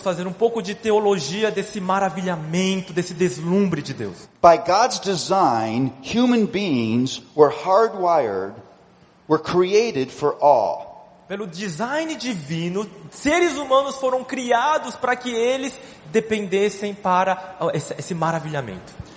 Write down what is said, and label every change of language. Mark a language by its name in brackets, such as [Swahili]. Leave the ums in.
[Portuguese] fazer um pouco de teologia desse maravilhamento, desse deslumbre de Deus. [English] By God's design, human beings were hardwired, were created for awe. [Portuguese] Pelo design divino, seres humanos foram criados para que eles dependessem para esse maravilhamento.